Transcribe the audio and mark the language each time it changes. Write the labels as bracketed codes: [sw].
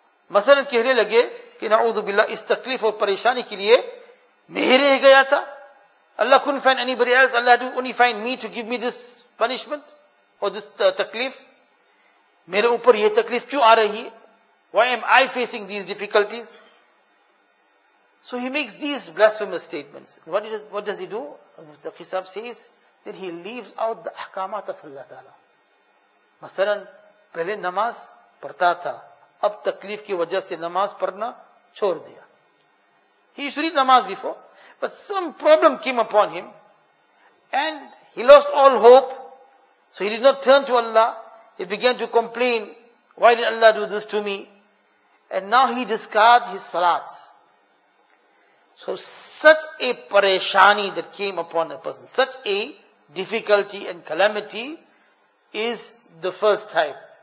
[ur] مثلاً کہنے لگے کہ نعوذ باللہ اس تکلیف اور پریشانی کے لیے میں ہی رہ گیا تھا. [en] Allah couldn't find anybody else. Allah had to only find me to give me this punishment or this تکلیف. [ur] میرے اوپر یہ تکلیف کیوں آ رہی ہے? [en] Why am I facing these difficulties? So he makes these blasphemous statements. What does he do? The Qisab says that he leaves out the احکامات of Allah Ta'ala. [ur] مثلاً پہلے نماز پڑھتا تھا, اب تکلیف کی وجہ سے نماز پڑھنا چھوڑ دیا. [en] He used to read namaz before, but some problem came upon him and he lost all hope. So he did not turn to Allah. He began to complain, why did Allah do this to me? And now he discards his salat. So such a pareshani that came upon a person, such a difficulty and calamity is the first type.